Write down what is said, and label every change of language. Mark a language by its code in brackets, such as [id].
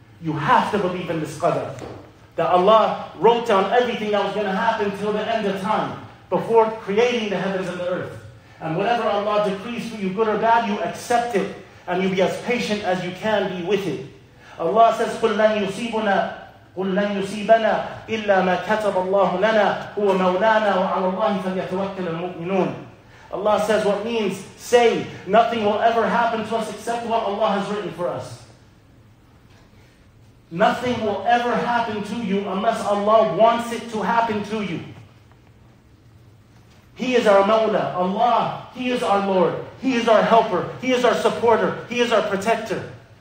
[en] You have to believe in this qadr. That Allah wrote down everything that was going to happen till the end of time, before creating the heavens and the earth. And whatever Allah decrees for you, good or bad, you accept it. And you be as patient as you can be with it. Allah says, [ar] قُلْ لَنْ يُصِيبُنَا قل لن يصيبنا إلا ما كتب الله لنا هو مولانا وعلى الله فليتوكل المؤمنون. [en] Allah says what means, say, nothing will ever happen to us except what Allah has written for us. Nothing will ever happen to you unless Allah wants it to happen to you. He is our Mawla, Allah, He is our Lord, He is our helper, He is our supporter, He is our protector.